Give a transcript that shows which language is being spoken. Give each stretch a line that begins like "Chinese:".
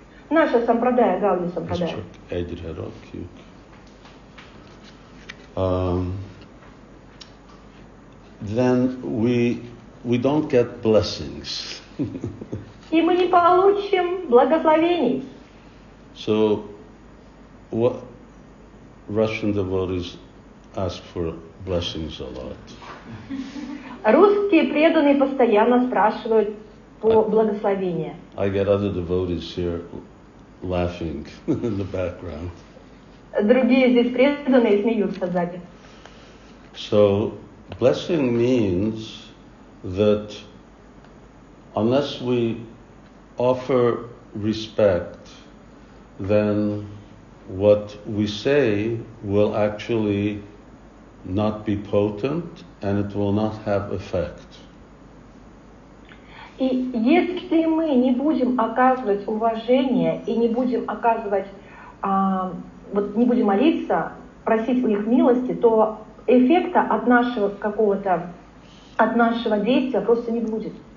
Russian: Наша Сампрадая, Гауди Сампрадая. Эдриаро Кьюк.
English: Then we don't get blessings.
Russian: И мы не получим благословений.
English: So what Russian devotees ask for blessings a lot.
Russian: Русские преданные постоянно спрашивают по благословению.
English: I get other devotees here laughing in the background.
Russian: Другие здесь преданные смеются сзади.
English: So blessing means that unless we offer respect, then what we say will actually not be potent and it will not have effect.
Russian: И если мы не будем оказывать уважение и не будем оказывать, вот не будем молиться, просить у них милости, то эффекта от нашего какого-то, от нашего действия просто не будет.